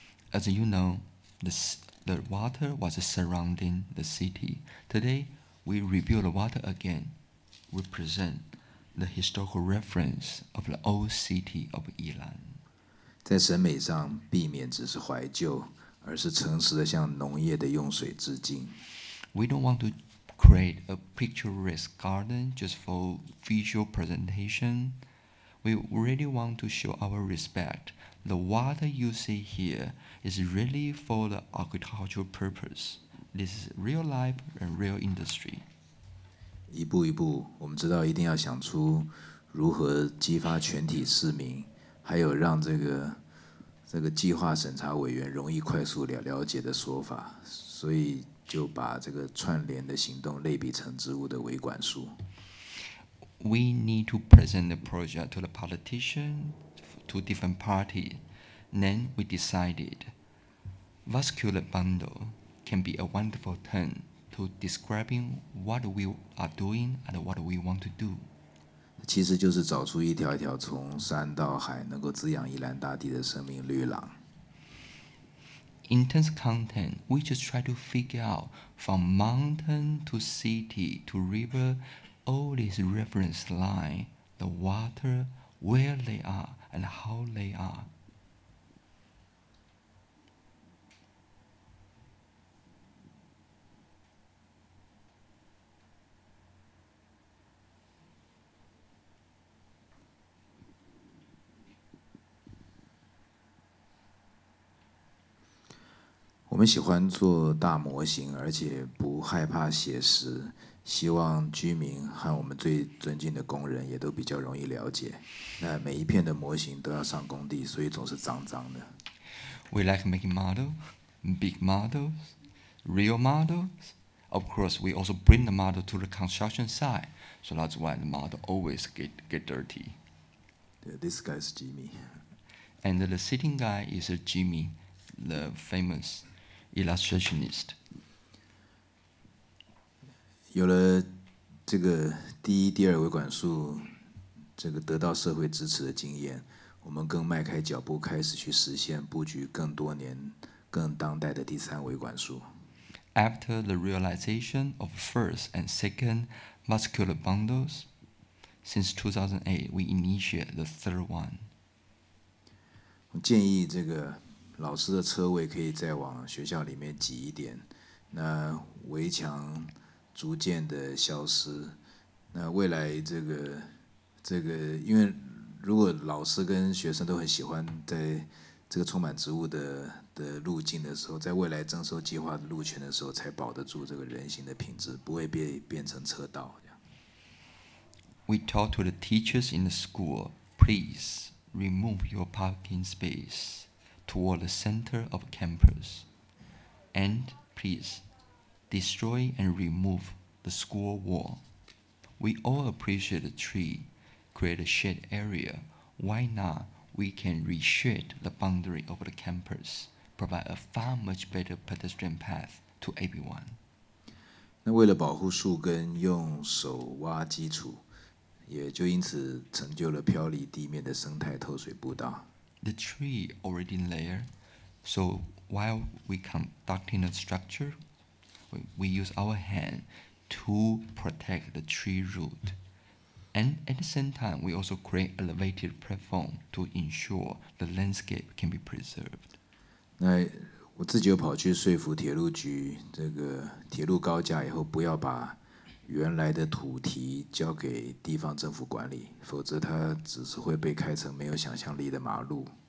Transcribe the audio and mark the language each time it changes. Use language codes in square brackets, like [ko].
[en] As you know, the water was surrounding the city. Today, we review the water again. We present the historical reference of the old city of Yilan. [zh] 在审美上，避免只是怀旧。而是诚实的向农业的用水致敬。 [en] We don't want to create a picturesque garden just for visual presentation. We really want to show our respect. The water you see here is really for the agricultural purpose. This is real life and real industry. [zh] 一步一步，我们知道一定要想出如何激发全体市民，还有让这个计划审查委员容易快速了解的说法，所以就把这个串联的行动类比成植物的维管束。 [en] We need to present the project to the politician, to different parties. Then we decided vascular bundle can be a wonderful term to describing what we are doing and what we want to do. [zh] 其实就是找出一条一条从山到海能够滋养宜兰大地的生命绿廊。 [en] Intense content, we just try to figure out from mountain to city to river, all these reference line, the water, where they are and how they are. [zh] 我们喜欢做大模型，而且不害怕写实，希望居民和我们最尊敬的工人也都比较容易了解。那每一片的模型都要上工地，所以总是脏脏的。 [en] We like making models, big models, real models. Of course, we also bring the model to the construction site, so that's why the model always get dirty. Yeah, this guy is Jimmy. And the sitting guy is Jimmy, the famous. Illustrationist. [zh] 有了这个第一、第二维管束，这个得到社会支持的经验，我们更迈开脚步，开始去实现布局更多年、更当代的第三维管束。 [en] After the realization of first and second muscular bundles, since 2008, we initiate the third one. [zh] 我建议这个。老师的车位可以再往学校里面挤一点，那围墙逐渐的消失。那未来这个，因为如果老师跟学生都很喜欢在这个充满植物的路径的时候，在未来征收计划的路权的时候，才保得住这个人行的品质，不会变成车道。 [en] We talk to the teachers in the school. Please remove your parking space. Toward the center of campus, and please destroy and remove the school wall. We all appreciate the tree, create a shade area. Why not? We can reshade the boundary of the campus, provide a far much better pedestrian path to everyone. [zh] 那为了保护树根，用手挖基础，也就因此成就了飘离地面的生态透水步道。 [en] The tree already there, so while we conducting the structure, we use our hand to protect the tree root. And at the same time, we also create elevated platform to ensure the landscape can be preserved. [zh] 那我自己又跑去说服铁路局，这个铁路高架以后不要把原来的土地交给地方政府管理，否则它只是会被开成没有想象力的马路。